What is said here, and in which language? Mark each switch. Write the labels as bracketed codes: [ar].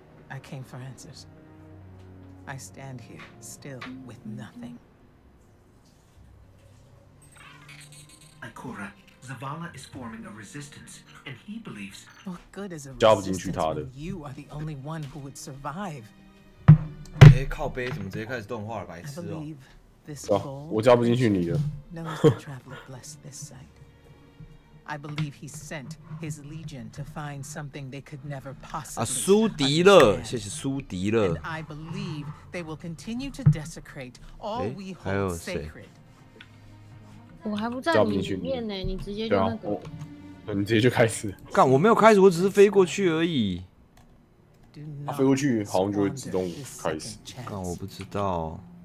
[en] I came for answers. I stand here still with nothing. Ikora, Zavala is forming a resistance, and he believes. What good is a resistance when you are the only one who would survive? [zh] 欸、靠背怎么直接开始动画了，白痴哦、喔！我加不进去你的。 [en] I believe he sent his legion to find something they could never possibly understand. [zh] 苏迪勒，谢谢苏迪勒。 [en] And I believe they will continue to desecrate all we hold sacred. [zh] 我还不在你里面呢，你直接就那个，对啊，你直接就开始。干，我没有开始，我只是飞过去而已。他飞过去，好像就会自动开始。干，我不知道。